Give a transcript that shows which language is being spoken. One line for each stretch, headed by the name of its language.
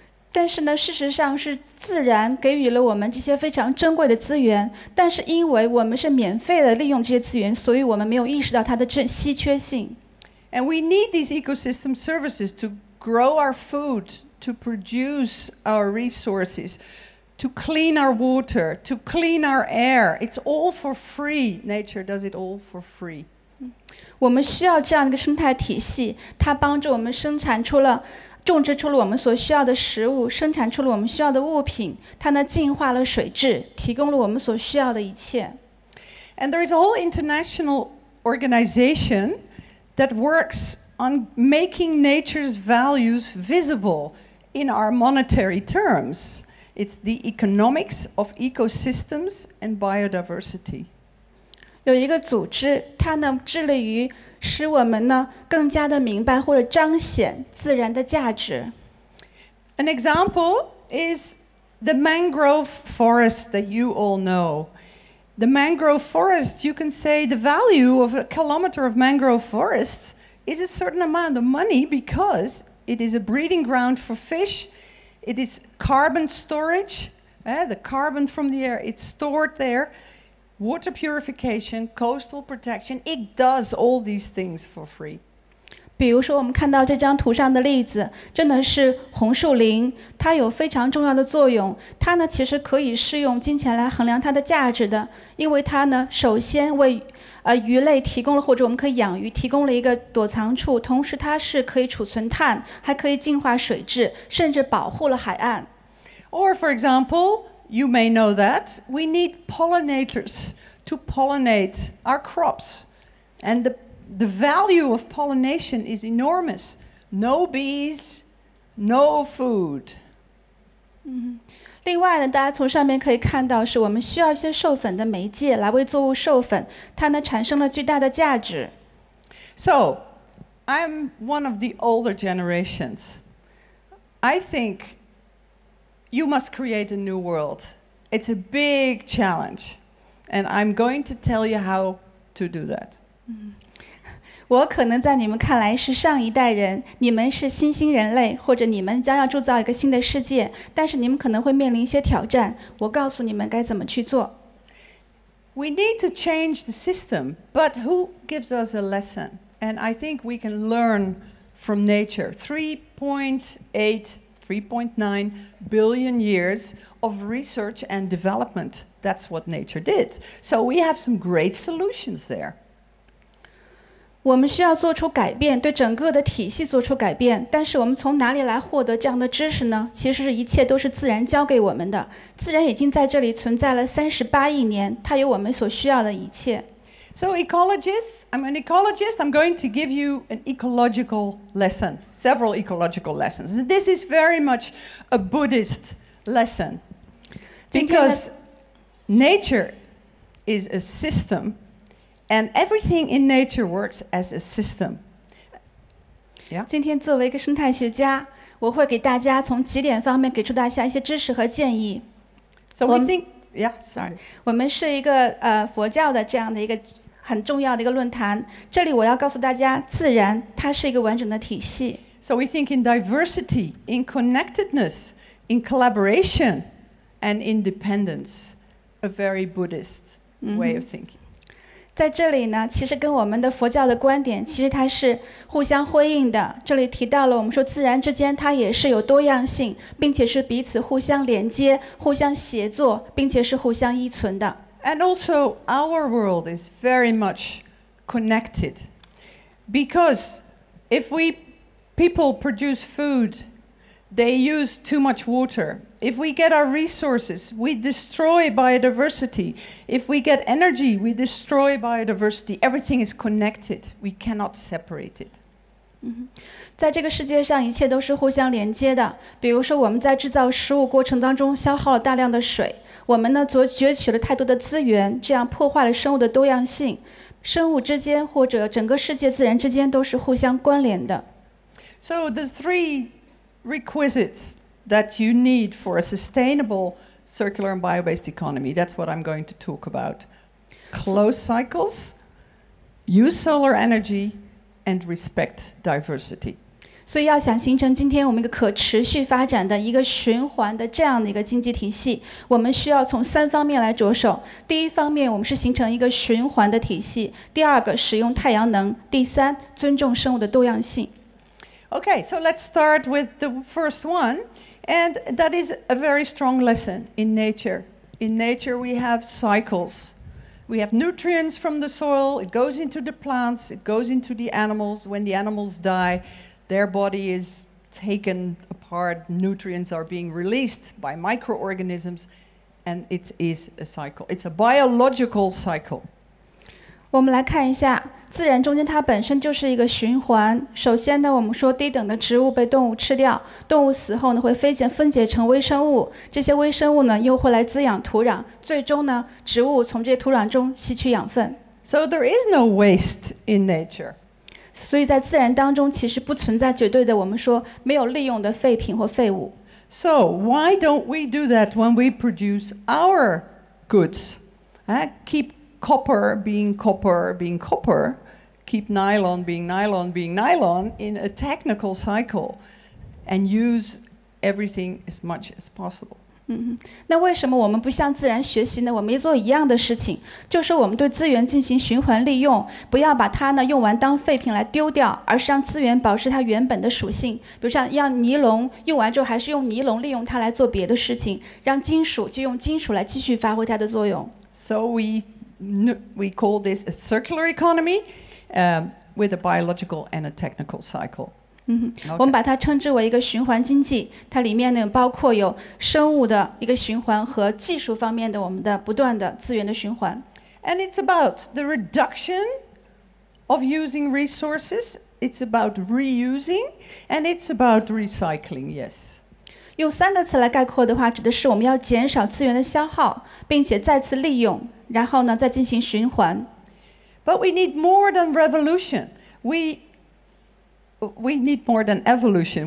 Chinese: 但是呢，事实上是自然给予了我们这些非常珍贵的资源，但是因为我们是免费的利用这些资源，所以我们没有意识到它的稀缺性。
English: And we need these ecosystem services to grow our food, to produce our resources, to clean our water, to clean our air. It's all for free. Nature does it all for free.
Chinese: 我们需要这样一个生态体系，它帮助我们生产出了、种植出了我们所需要的食物，生产出了我们需要的物品。它呢，净化了水质，提供了我们所需要的一切。
English: And there is a whole international organization. That works on making nature's values visible in our monetary terms. It's the economics of ecosystems and biodiversity.
Chinese: 有一个组织，它呢致力于使我们呢更加的明白或者彰显自然的价值。
English: An example is the mangrove forest that you all know. The mangrove forest, you can say the value of a kilometer of mangrove forest is a certain amount of money because it is a breeding ground for fish, it is carbon storage, the carbon from the air, it's stored there, water purification, coastal protection, it does all these things for free.
Chinese: 比如说我们看到这张图上的例子真的是红树林它有非常重要的作用它呢其实可以是用金钱来衡量它的价值的因为它呢首先为、鱼类提供了或者我们可以养鱼提供了一个躲藏处同时它是可以储存碳还可以净化水质甚至保护了海岸
English: Or for example, you may know that we need pollinators to pollinate our crops and the value of pollination is enormous. No bees, no food.
Chinese: 另外呢，大家从上面可以看到，是我们需要一些授粉的媒介来为作物授粉，它呢产生了巨大的价值。
English: So, I'm one of the older generations. I think you must create a new world. It's a big challenge, and I'm going to tell you how to do that.
Chinese: 我可能在你们看来是上一代人，你们是新兴人类，或者你们将要铸造一个新的世界，但是你们可能会面临一些挑战。我告诉你们该怎么去做。
English: We need to change the system, but who gives us a lesson? And I think we can learn from nature. 3.8, 3.9 billion years of research and development. That's what nature did. So we have some great solutions there.
Chinese: 我们需要做出改变，对整个的体系做出改变。但是我们从哪里来获得这样的知识呢？其实一切都是自然教给我们的。自然已经在这里存在了38亿年，它有我们所需要的一切。
English: So ecologists, I'm an ecologist. I'm going to give you an ecological lesson, several ecological lessons. This is very much a Buddhist lesson, because nature is a system. And everything in nature works as a system. Yeah.
Chinese: 今天作为一个生态学家，我会给大家从几点方面给出大家一些知识和建议。
English: So we think, yeah, sorry.
Chinese: 我们是一个佛教的这样的一个很重要的一个论坛。这里我要告诉大家，自然它是一个完整的体系。
English: So we think in diversity, in connectedness, in collaboration, and independence, a very Buddhist way of thinking.
Chinese: 在这里呢，其实跟我们的佛教的观点，其实它是互相辉映的。这里提到了，我们说自然之间它也是有多样性，并且是彼此互相连接、互相协作，并且是互相依存的。
English: And also, our world is very much connected, because if we people produce food, they use too much water. If we get our resources, we destroy biodiversity. If we get energy, we destroy biodiversity. Everything is connected. We cannot separate it.
Chinese: 在这个世界上，一切都是互相连接的。比如说，我们在制造食物过程当中消耗了大量的水，我们呢，攫取了太多的资源，这样破坏了生物的多样性。生物之间或者整个世界自然之间都是互相关联的。
English: So the three requisites. That you need for a sustainable circular and bio-based economy. That's what I'm going to talk about. Close cycles, use solar energy, and respect diversity.
Chinese: 所以要想形成今天我们一个可持续发展的一个循环的这样的一个经济体系，我们需要从三方面来着手。第一方面，我们是形成一个循环的体系；第二个，使用太阳能；第三，尊重生物的多样性。
English: Okay, so let's start with the first one, and that is a very strong lesson in nature. In nature, we have cycles. We have nutrients from the soil. It goes into the plants. It goes into the animals. When the animals die, their body is taken apart. Nutrients are being released by microorganisms, and it is a cycle. It's a biological cycle.
Chinese: 我们来看一下。自然中间它本身就是一个循环。首先呢，我们说低等的植物被动物吃掉，动物死后呢会分解成微生物，这些微生物呢又会来滋养土壤，最终呢植物从这些土壤中吸取养分。
English: So there is no waste in nature.
Chinese: 所以在自然当中其实不存在绝对的我们说没有利用的废品或废物。
English: So why don't we do that when we produce our goods? Keep copper, keep nylon, being nylon in a technical cycle, and use everything as much as possible.
Chinese: 那为什么我们不向自然学习呢？我们也做一样的事情，就是我们对资源进行循环利用，不要把它呢用完当废品来丢掉，而是让资源保持它原本的属性。比如像让尼龙用完之后，还是用尼龙利用它来做别的事情，让金属就用金属来继续发挥它的作用。
English: So we call this a circular economy, with a biological and a technical cycle.
Chinese: 我们把它称之为一个循环经济，它里面呢包括有生物的一个循环和技术方面的我们的不断的资源的循环。
English: And it's about the reduction of using resources. It's about reusing, and it's about recycling. Yes.
Chinese: 用三个词来概括的话，指的是我们要减少资源的消耗，并且再次利用，然后呢再进行循环。
English: But we need more than revolution. We need more than evolution.